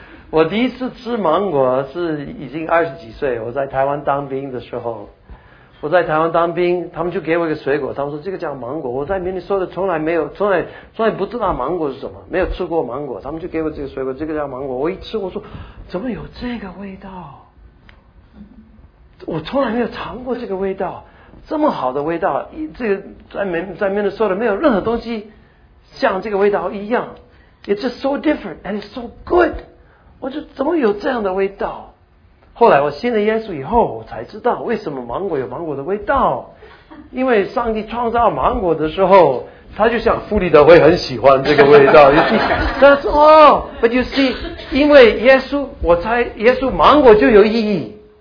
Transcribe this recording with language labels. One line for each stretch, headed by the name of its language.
Chinese: 我第一次吃芒果是已经二十几岁，我在台湾当兵的时候，我在台湾当兵，他们就给我一个水果，他们说这个叫芒果，我在明尼苏达从来没有，从来不知道芒果是什么，没有吃过芒果，他们就给我这个水果，这个叫芒果，我一吃我说怎么有这个味道，我从来没有尝过这个味道，这么好的味道，这个在明尼苏达没有任何东西像这个味道一样。
English: It's just so different and it's so good.
Chinese: 我就怎么有这样的味道？后来我信了耶稣以后，我才知道为什么芒果有芒果的味道。因为上帝创造芒果的时候，他就想弗里德会很喜欢这个味道。
English: That's all. But you see,
Chinese: 因为耶稣，我猜耶稣芒果就有意义。